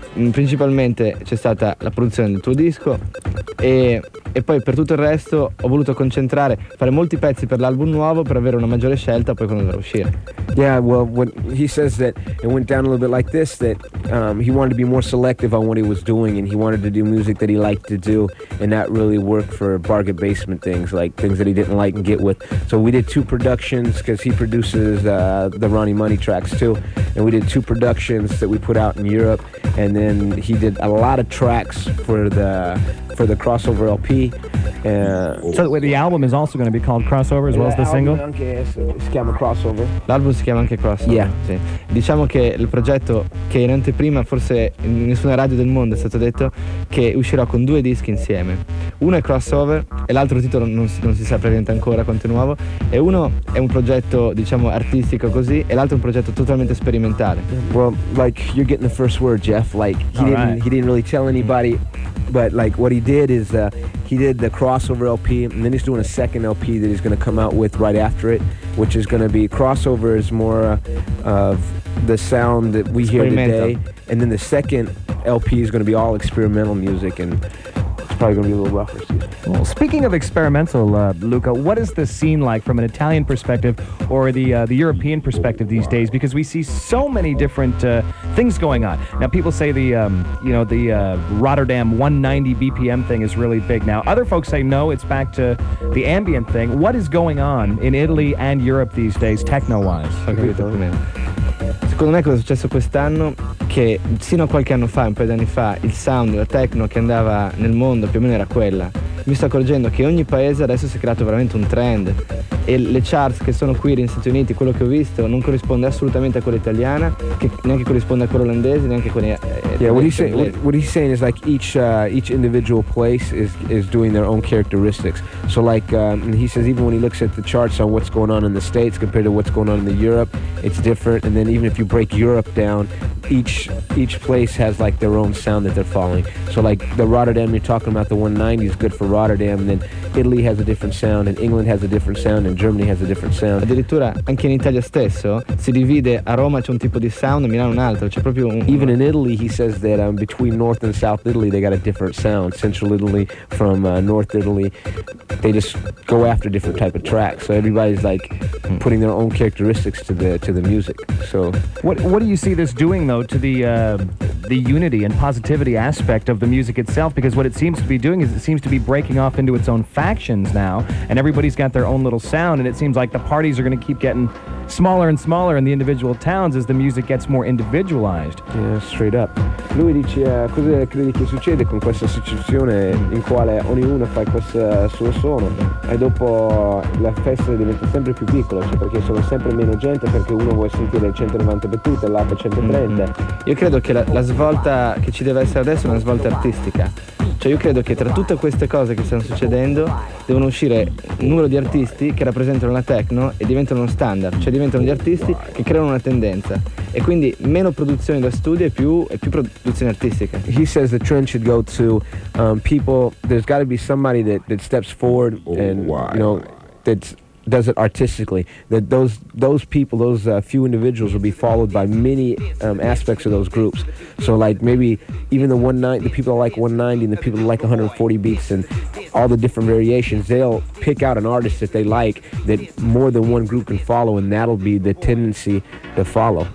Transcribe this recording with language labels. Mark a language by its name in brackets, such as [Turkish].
[Italian] Principalmente c'è stata la produzione del tuo disco e poi per tutto il resto ho voluto concentrare, fare molti pezzi per l'album nuovo per avere una maggiore scelta poi quando dovrà uscire. [English] Yeah, well, when he says that it went down a little bit like this, that he wanted to be more selective on what he was doing and he wanted to do music that he liked to do and not really work for bargain basement things, like things that he didn't like and get with. So we did two productions because he produces the Ronnie Money tracks too, and we did two productions that we put out in Europe, and then he did a lot of tracks for the crossover LP. So wait, the album is also going to be called Crossover as well as the single? [Italian] Si chiama Crossover. L'album si chiama anche Crossover. [English] Yeah. [Italian] Sì. Diciamo che il progetto che in anteprima forse in nessuna radio del mondo è stato detto che uscirò con due dischi insieme. Uno è Crossover e l'altro titolo non si sa presente ancora quanto è nuovo. E uno è un progetto diciamo artistico così e l'altro è un progetto totalmente sperimentale. [English] Well, like you're getting the first word, Jeff. Like he didn't really tell anybody. But like what he did is he did the Crossover LP, and then he's doing a second LP that he's going to come out with right after it, which is going to be Crossover is more of the sound that we hear today, and then the second LP is going to be all experimental music and probably going to be a little rougher. Well, speaking of experimental, Luca, what is the scene like from an Italian perspective or the European perspective these days? Because we see so many different things going on. Now, people say the Rotterdam 190 BPM thing is really big now. Other folks say, no, it's back to the ambient thing. What is going on in Italy and Europe these days, techno-wise? Okay. [Italian] Secondo me cosa è successo quest'anno, che sino a qualche anno fa, un paio di anni fa, il sound, la techno che andava nel mondo più o meno era quella. Mi sto accorgendo che ogni paese adesso si è creato veramente un trend e le charts che sono qui negli Stati Uniti, quello che ho visto, non corrisponde assolutamente a quella italiana, che neanche corrisponde a quella olandese, neanche a quella... [English] What he's saying is like each individual place is doing their own characteristics. So like he says even when he looks at the charts on what's going on in the States compared to what's going on in the Europe, it's different. And then even if you break Europe down, each place has like their own sound that they're following. So like the Rotterdam you're talking about, the 190 is good for Rotterdam, and then Italy has a different sound, and England has a different sound, and Germany has a different sound. [Italian] Addirittura anche in Italia stesso si divide, a Roma c'è un tipo di sound, a Milano un altro, c'è proprio un... [English] Even in Italy he says that between North and South Italy they got a different sound. Central Italy from North Italy, they just go after different type of tracks. So everybody's like putting their own characteristics to the music. So what do you see this doing though to the unity and positivity aspect of the music itself? Because what it seems to be doing is it seems to be breaking off into its own factions now, and everybody's got their own little sound, and it seems like the parties are going to keep getting smaller and smaller in the individual towns as the music gets more individualized. Yeah, straight up. [Italian] Lui dice, cosa credi che succede con questa situazione in quale ognuno fa questo suo suono, e dopo la festa diventa sempre più piccola, cioè perché sono sempre meno gente, perché uno vuole sentire 190 battute, l'altro 130. Mm-hmm. Io credo che la svolta che ci deve essere adesso è una svolta artistica. Cioè io credo che tra tutte queste cose che stanno succedendo devono uscire un numero di artisti che rappresentano la techno e diventano uno standard, cioè diventano gli artisti che creano una tendenza. E quindi meno produzione da studio e più produzione artistica. [English] He says the trend should go to people, there's gotta be somebody that steps forward and does it artistically, that those people, those few individuals will be followed by many aspects of those groups. So like maybe even the 190, the people that like 190 and the people that like 140 beats and all the different variations, they'll pick out an artist that they like that more than one group can follow, and that'll be the tendency to follow.